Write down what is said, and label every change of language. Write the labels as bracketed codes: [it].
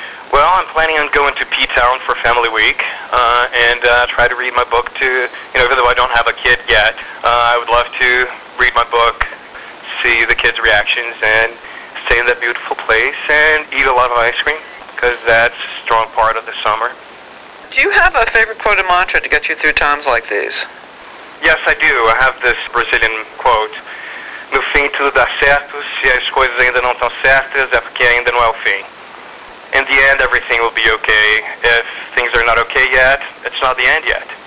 [en] Well, I'm planning on going to P-Town for family week and try to read my book to, you know, even though I don't have a kid yet, I would love to read my book, see the kids' reactions, and stay in that beautiful place and eat a lot of ice cream, because that's a strong part of the summer. Do you have a favorite quote or mantra to get you through times like these? Yes, I do. I have this Brazilian quote: [pt] no fim tudo dá certo, se as coisas ainda não estão certas, é porque ainda não é o fim. [en] In the end, everything will be okay. If things are not okay yet, it's not the end yet.